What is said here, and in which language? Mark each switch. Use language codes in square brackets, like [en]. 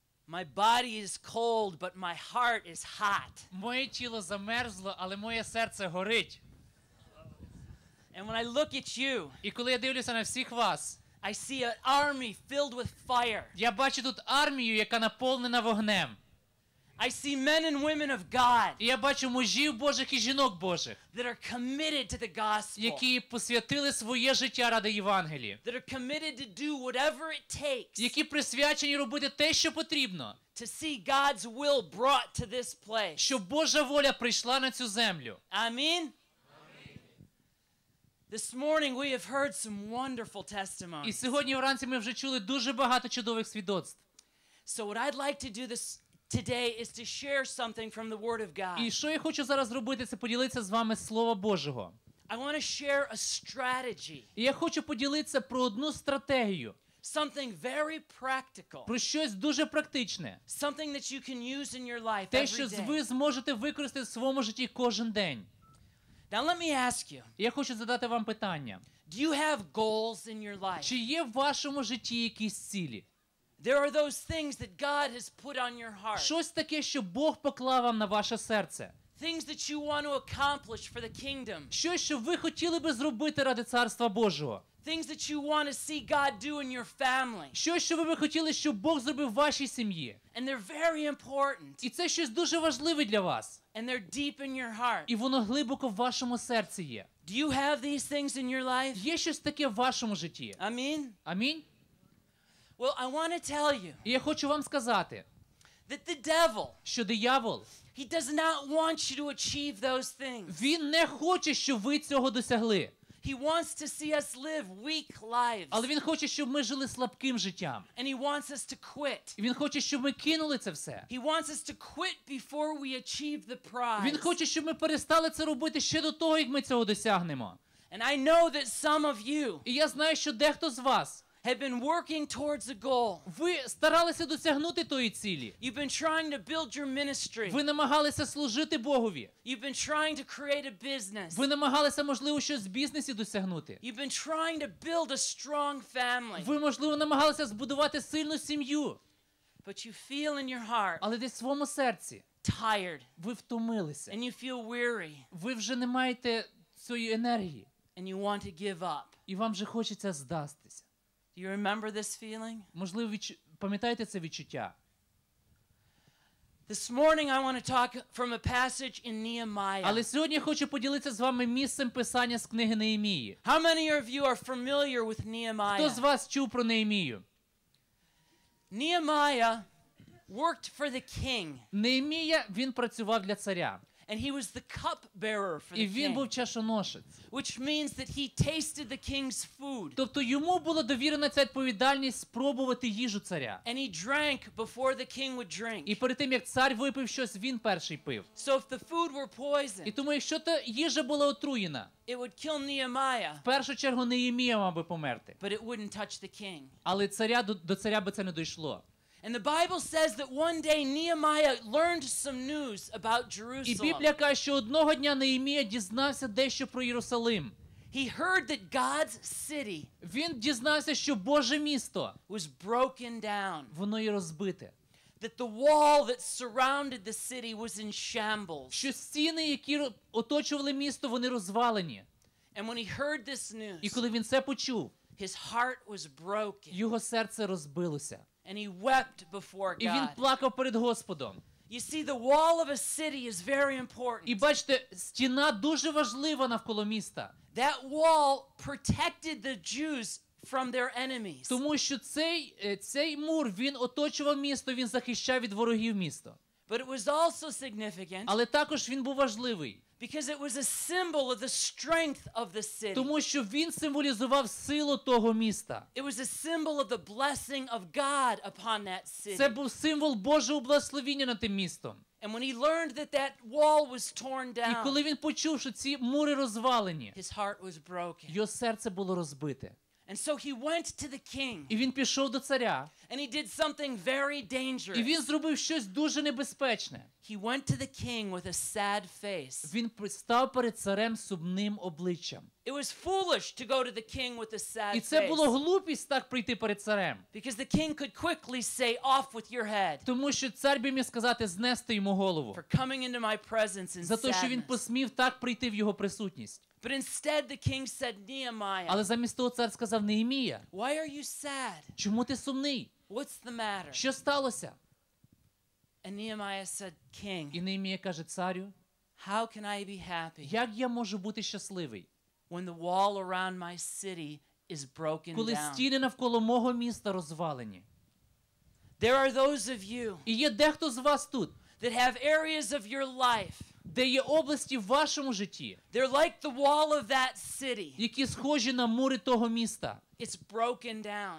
[en] My body is cold, but my heart is hot. [uk] Моє тіло замерзло, але моє серце горить. [en] And when I look at you, [uk] і коли я дивлюся на всіх вас, [en] I see an army filled with fire. [uk] Я бачу тут армію, яка наповнена вогнем. [en] I see men and women of God. [uk] Я бачу мужів Божих і жінок Божих. [en] That are committed to the gospel. [uk] Які посвятили своє життя ради Євангелія. [en] That are committed to do whatever it takes. [uk] Які присвячені робити те, що потрібно. [en] To see God's will brought to this place. [uk] Щоб Божа воля прийшла на цю землю. Амін. [en] This morning we have heard some wonderful testimonies. [uk] І сьогодні вранці ми вже чули дуже багато чудових свідоцтв. [en] So what I'd like to do this today is to share something from the Word of God. [uk] І що я хочу зараз робити, це поділитися з вами Слово Божого. [en] I want to share a strategy. [uk] І я хочу поділитися про одну стратегію. [en] Something very practical. [uk] Про щось дуже практичне. [en] Something that you can use in your life every day. [uk] Те, що ви зможете використати в своєму житті кожен день. [en] Now let me ask you. [uk] Я хочу задати вам питання. [en] Do you have goals in your life? [uk] Чи є в вашому житті якісь цілі? [en] There are those things that God has put on your heart. [uk] Щось таке, що Бог поклав вам на ваше серце. [en] Things that you want to accomplish for the kingdom. [uk] Щось, що ви хотіли би зробити ради Царства Божого. [en] Things that you want to see God do in your family. [uk] Щось, що ви би хотіли, щоб Бог зробив в вашій сім'ї. [en] And they're very important. [uk] І це щось дуже важливе для вас. [en] And they're deep in your heart. [uk] І воно глибоко в вашому серці є. [en] Do you have these things in your life? [uk] Є щось таке в вашому житті? Амінь. Амінь. [en] Well, I want to tell you. [uk] Я хочу вам сказати. [en] That the devil. [uk] Що диявол? [en] He does not want you to achieve those things. [uk] Він не хоче, щоб ви цього досягли. [en] He wants to see us live weak lives. [uk] Але він хоче, щоб ми жили слабким життям. [en] And he wants us to quit. [uk] І він хоче, щоб ми кинули це все. [en] He wants us to quit before we achieve the prize. [uk] Він хоче, щоб ми перестали це робити ще до того, як ми цього досягнемо. [en] And I know that some of you. [uk] І я знаю, що дехто з вас [en] have been working towards a goal. [uk] Ви старалися досягнути тої цілі. [en] You've been trying to build your ministry. [uk] Ви намагалися служити Богові. [en] You've been trying to create a business. [uk] Ви намагалися, можливо, щось в бізнесі досягнути. [en] You've been trying to build a strong family. [uk] Ви, можливо, намагалися збудувати сильну сім'ю. [en] But you feel in your heart. [uk] Але десь в своєму серці. [en] Tired. [uk] Ви втомилися. [en] And you feel weary. [uk] Ви вже не маєте цієї енергії. [en] And you want to give up. [uk] І вам вже хочеться здастися. [en] You remember this feeling? [uk] Можливо, пам'ятаєте це відчуття? [en] This morning I want to talk from a passage in Nehemiah. [uk] Але сьогодні я хочу поділитися з вами місцем писання з книги Неємії. [en] How many of you are familiar with Nehemiah? [uk] Хто з вас чув про Неємію? [en] Nehemiah worked for the king. [uk] Неємія, він працював для царя. [en] And he was the cupbearer for the king. [uk] І він був чашоношець. [en] Which means that he tasted the king's food. [uk] Тобто йому була довірена ця відповідальність спробувати їжу царя. [en] And he drank before the king would drink. [uk] І перед тим, як цар випив щось, він перший пив. [en] So if the food were poisoned. [uk] І тому, якщо та їжа була отруєна, [en] it would kill Nehemiah. [uk] В першу чергу Неємія мав би померти. [en] But it wouldn't touch the king. [uk] Але царя до царя би це не дійшло. [en] And the Bible says that one day Nehemiah learned some news about Jerusalem. [uk] І Біблія каже, що одного дня Неємія дізнався дещо про Єрусалим. [en] He heard that God's city. [uk] Він дізнався, що Боже місто [en] was broken down. [uk] Воно є розбите. [en] That the wall that surrounded the city was in shambles. [uk] Що стіни, які оточували місто, вони розвалені. [en] And when he heard this news. [uk] І коли він це почув, [en] his heart was broken. [uk] Його серце розбилося. [en] And he wept before God. [uk] І він плакав перед Господом. [en] You see, the wall of a city is very important. [uk] І бачите, стіна дуже важлива навколо міста. [en] That wall protected the Jews from their enemies. [uk] Тому що цей мур, він оточував місто, він захищав від ворогів місто. [en] But it was also significant. [uk] Але також він був важливий. [en] Because it was a symbol of the strength of the city. [uk] Тому що він символізував силу того міста. [en] It was a symbol of the blessing of God upon that city. [uk] Це був символ Божого благословення над тим містом. [en] And when he learned that that wall was torn down. [uk] І коли він почув, що ці мури розвалені. [en] His heart was broken. [uk] Його серце було розбите. [en] And so he went to the king. [uk] І він пішов до царя. [en] And he did something very dangerous. [uk] І він зробив щось дуже небезпечне. [en] He went to the king with a sad face. [uk] Він став перед царем з сумним обличчям. [en] It was foolish to go to the king with a sad face. [uk] І це було глупість так прийти перед царем. [en] Because the king could quickly say, "Off with your head." [uk] Тому що цар би міг сказати знести йому голову. [en] For coming into my presence in sadness. [uk] За те, що він посмів так прийти в його присутність. [en] But instead the king said, "Nehemiah." [uk] Але замість того цар сказав Неємія. [en] "Why are you sad?" [uk] Чому ти сумний? [en] "What's the matter?" [uk] Що сталося? [en] And Nehemiah said, "King." [uk] І Неємія каже царю: [en] "How can I be happy?" [uk] Як я можу бути щасливий? [en] "When the wall around my city is broken down." [uk] Коли стіни навколо мого міста розвалені. [en] "There are those of you." [uk] І є дехто з вас тут. [en] "That have areas of your life." [uk] Де є області в вашому житті. [en] "They're like the wall of that city." [uk] Які схожі на мури того міста. [en] "It's broken down."